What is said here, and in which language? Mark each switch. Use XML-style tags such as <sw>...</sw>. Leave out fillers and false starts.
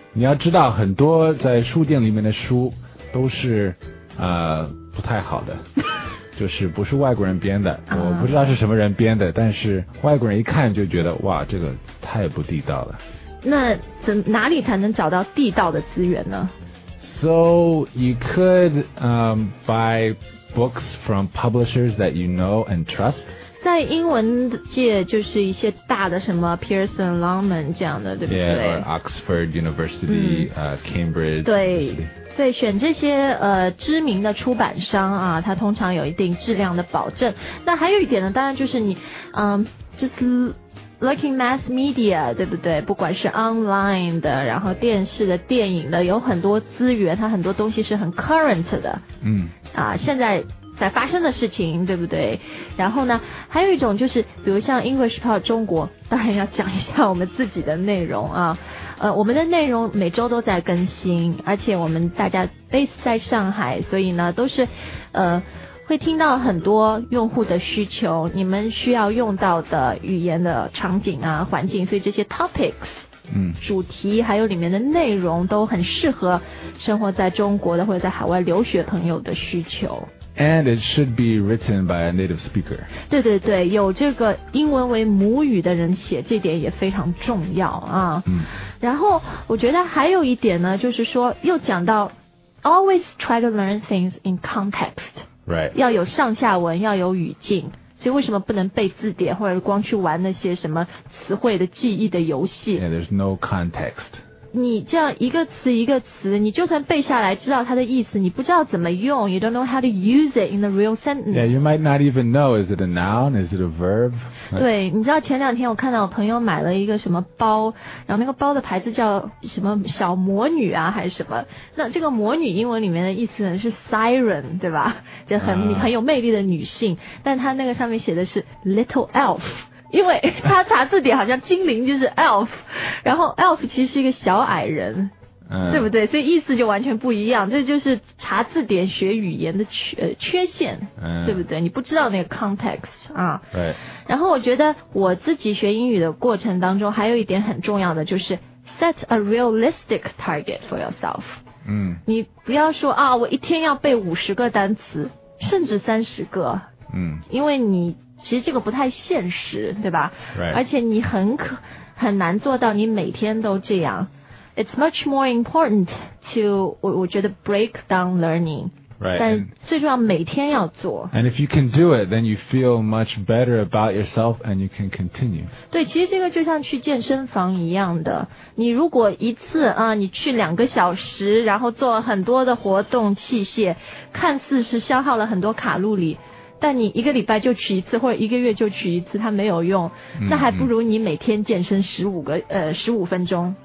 <zh>你要知道很多在书店里面的书都是不太好的。就是不是外国人编的，我不知道是什么人编的，但是外国人一看就觉得哇，这个太不地道了。那哪里才能找到地道的资源呢？</zh> <en>So you could buy books from publishers that you know and trust.</en> <zh>在英文界就是一些大的什么 Pearson Longman 这样的对不对</zh> <en>yeah, or Oxford University、Cambridge</en> <zh>对</zh> <en>University.</en> <zh>对选这些知名的出版商啊它通常有一定质量的保证那还有一点呢当然就是你就是</zh> <en>Looking mass media,</en> <zh>对不对不管是 online 的然后电视的电影的有很多资源它很多东西是很 current 的嗯啊现在在发生的事情对不对然后呢还有一种就是比如像 English Pod 中国当然要讲一下我们自己的内容啊我们的内容每周都在更新而且我们大家 base 在上海所以呢都是会听到很多用户的需求你们需要用到的语言的场景啊环境所以这些 topics 主题还有里面的内容都很适合生活在中国的或者在海外留学朋友的需求</zh> <en>and it should be written by a native speaker</en> <zh>对对对有这个英文为母语的人写这点也非常重要啊然后我觉得还有一点呢就是说又讲到</zh> <en>always try to learn things in context Right.</en> <zh>要有上下文要有语境所以为什么不能背字典或者光去玩那些什么词汇的记忆的游戏</zh> <en>yeah, There's no context</en> <zh>你这样一个词一个词你就算背下来知道它的意思你不知道怎么用</zh> <en>You don't know how to use it in the real sentence Yeah, you might not even know Is it a noun? Is it a verb?</en> <zh>对你知道前两天我看到我朋友买了一个什么包然后那个包的牌子叫什么小魔女啊还是什么那这个魔女英文里面的意思是 siren 对吧就 很有魅力的女性但它那个上面写的是 little elf因为他查字典好像精灵就是 elf 然后 elf 其实是一个小矮人、对不对所以意思就完全不一样这就是查字典学语言的 缺陷、对不对你不知道那个 context 啊。</zh> <en>Right.</en> <zh>然后我觉得我自己学英语的过程当中还有一点很重要的就是</zh> <en>set a realistic target for yourself</en> <zh>你不要说啊，我一天要背50个单词甚至30个因为你其实这个不太现实对吧、</zh> <en>right.</en> <zh>而且你很难做到你每天都这样</zh> <en>It's much more important to</en> <zh>我觉得</zh> <en>break down learning、 right.</en> <zh>但最重要每天要做</zh> <en>And if you can do it then you feel much better about yourself and you can continue</en> <zh>对其实这个就像去健身房一样的你如果一次啊，你去两个小时然后做很多的活动器械看似是消耗了很多卡路里但你一个礼拜就去一次或者一个月就去一次它没有用那还不如你每天健身15分钟</zh>